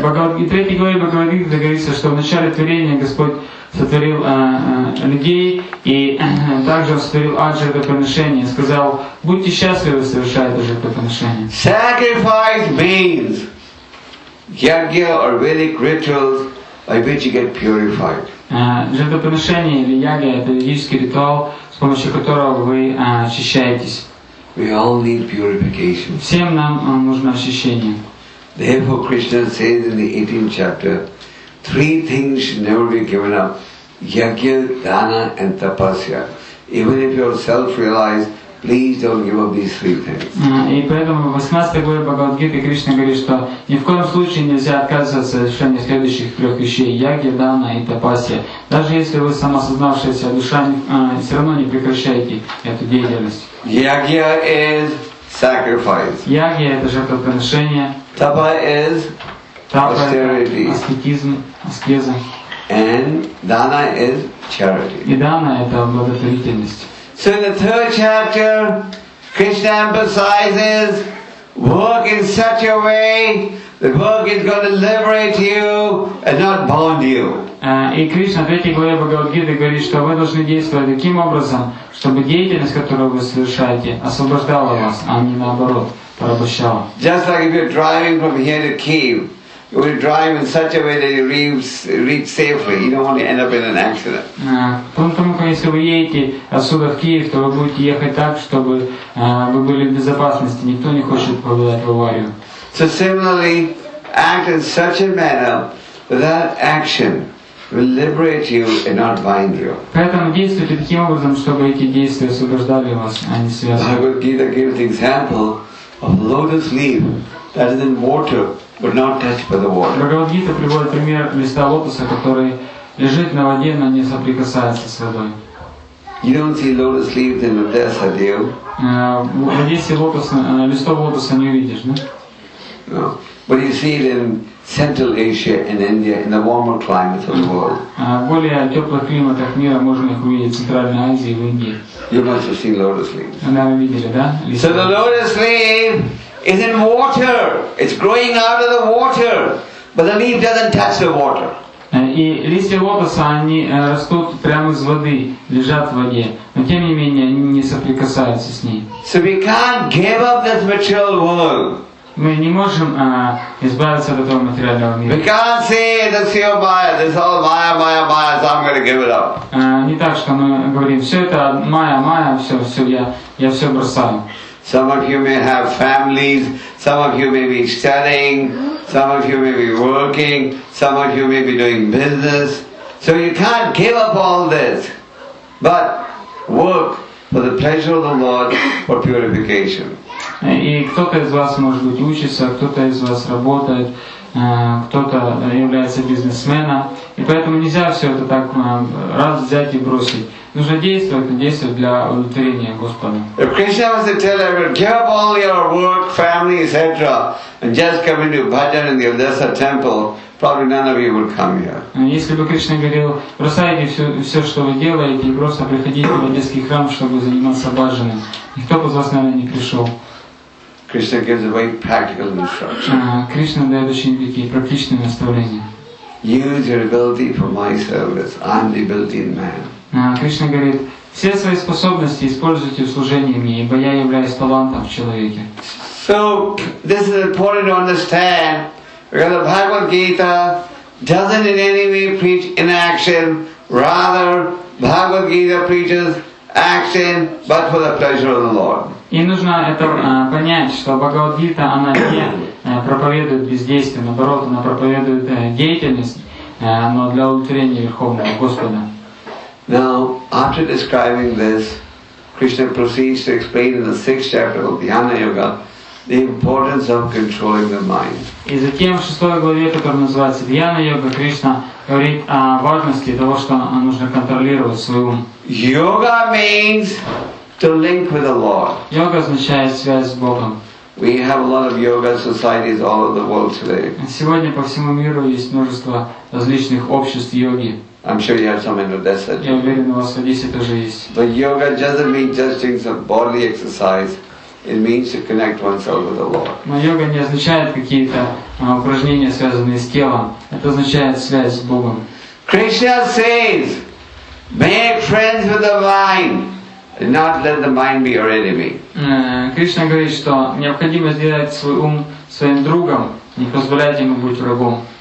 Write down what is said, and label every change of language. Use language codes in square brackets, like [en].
[ru] И 3 главе Бхагавад-гиты говорится, что в начале творения Господь сотворил людей и также сотворил жертвоприношение, сказал, будьте счастливы, совершая это жертвоприношение. [en] Sacrifice means yagya or Vedic rituals by which you get purified. [ru] Жертвоприношение или ягья — это ведический ритуал, с помощью которого вы очищаетесь. [en] We all need purification. [ru] Всем нам нужно очищение. [en] Therefore, Krishna says in the 18th chapter, three things should never be given up: yagya, dana, and tapasya. Even if you're self-realized, please don't give up these three things. [ru] И поэтому в 18 главе Бхагавад-гиты Кришна говорит, что ни в коем случае нельзя отказываться от совершения следующих трех вещей: ягья, дана и тапасья. Даже если вы самосознавшаяся душа, все равно не прекращайте эту деятельность. [en] Ягья is sacrifice. [ru] Ягья — это жертвоприношение. [en] Тапа is austerity. [ru] Аскетизм, аскеза. [en] And dana is charity. [ru] И дана — это благотворительность. [en] So in the 3rd chapter, Krishna emphasizes work in such a way that work is going to liberate you and not bond you. [ru] И Кришна в 3 главе Бхагавад-гиты говорит, что вы должны действовать таким образом, чтобы деятельность, которую вы совершаете, освобождала вас, а не наоборот, порабощала. [en] Just like if you're driving from here to Kiev, you would drive in such a way that you reach safely. You don't want to end up in an accident. [ru] Поэтому, если вы едете отсюда в Киев, то вы будете ехать так, чтобы вы были в безопасности. Никто не хочет попадать в аварию. [en] So similarly, act in such a manner that action will liberate you and not bind you. [ru] Поэтому действуйте таким образом, чтобы эти действия освобождали вас, а не связывали. [en] I would give the example of lotus leaf that is in water. But not touched by the water. [ru] Бхагавад-гита приводит пример листа лотоса, который лежит на воде, но не соприкасается с водой. [en] You don't see lotus leaves in Odessa, do you? [ru] В Одессе листов лотоса не увидишь, да? [en] No. But you see it in Central Asia and India, in the warmer climates of the world. [ru] В более теплых климатах мира можно их увидеть в Центральной Азии и в Индии. [en] You must have seen lotus leaves. [ru] Да, вы видели, да? [en] So the lotus leaf is in water. It's growing out of the water, but the leaf doesn't touch the water. [ru] И листья лотоса, они растут прямо из воды, лежат в воде, но тем не менее они не соприкасаются с ней. [en] So we can't give up this material world. [ru] Мы не можем избавиться от этого материального мира. [en] We can't say this is all Maya. This is all Maya, Maya, Maya. So I'm going to give it up. [ru] Не так, что мы говорим, все это Maya, Maya, все, я все бросаю. [en] Some of you may have families, some of you may be studying, some of you may be working, some of you may be doing business. So you can't give up all this, but work for the pleasure of the Lord for purification. [ru] И кто-то из вас может быть учится, кто-то из вас работает, кто-то является бизнесменом. И поэтому нельзя все это так раз взять и бросить. Нужно действовать, действовать для удовлетворения Господа. [en] If Krishna was to tell everyone, give up all your work, family, etc., and just come into bhajan in the Odessa temple, probably none of you would come here. [ru] Если бы Кришна говорил, бросайте все, что вы делаете, и просто приходите в Одесский храм, чтобы заниматься бхаджаном, никто бы из вас, наверное, не пришел. [en] Krishna gives a very practical instruction. [ru] Кришна дает очень такие практичные наставления. [en] Use your ability for my service. I'm the built-in man. [ru] Кришна говорит, все свои способности используйте в служении мне, ибо я являюсь талантом в человеке. [en] So this is important to understand, because the Bhagavad Gita doesn't in any way preach inaction, rather Bhagavad Gita preaches action, but for the pleasure of the Lord. [ru] И нужно это понять, что Бхагавад-гита, она не проповедует бездействие, наоборот, она проповедует деятельность, но для удовлетворения Верховного Господа. [en] Now, after describing this, Krishna proceeds to explain in the sixth chapter of Dhyana Yoga the importance of controlling the mind. [ru] И затем в шестой главе, которая называется Dhyana Yoga, Кришна говорит о важности того, что нужно контролировать свой ум. [en] Yoga means to link with the Lord. [ru] Йога означает связь с Богом. [en] We have a lot of yoga societies all over the world today. [ru] Сегодня по всему миру есть множество различных обществ йоги. [en] I'm sure you have some in Odessa. [ru] Я уверен, у вас в Одессе тоже есть. [en] But yoga doesn't mean just doing some bodily exercise. It means to connect oneself with the Lord. [ru] Но йога не означает какие-то упражнения, связанные с телом. Это означает связь с Богом. [en] Krishna says, make friends with the mind. Not let the mind be your enemy. [ru] Кришна говорит, что необходимо сделать свой ум своим другом, не позволять ему быть врагом.